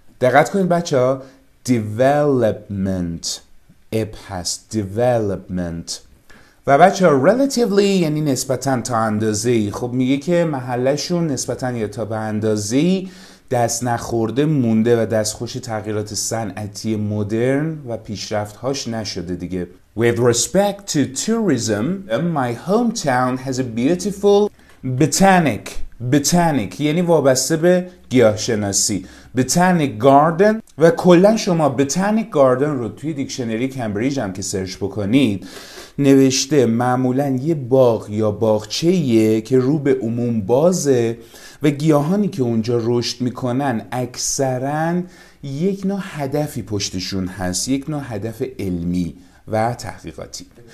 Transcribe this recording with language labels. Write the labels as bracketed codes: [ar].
[fa] دقت کنید بچه، development اپ هست، development. و بچه ها relatively یعنی نسبتاً تا اندازه. خب میگه که محلشون نسبتاً یا تا به اندازه دست نخورده مونده و دستخوش تغییرات صنعتی مدرن و پیشرفتهاش نشده دیگه. [en] With respect to tourism, my hometown has a beautiful botanic. [fa] Botanic یعنی وابسته به گیاهشناسی. [en] Botanic garden. [fa] و کلن شما botanic garden رو توی دیکشنری کمبریج هم که سرچ بکنید، نوشته معمولاً یه باغ یا باغچه‌ایه که رو به عموم بازه و گیاهانی که اونجا رشد میکنن اکثراً یک نوع هدفی پشتشون هست، یک نوع هدف علمی و تحقیقاتی.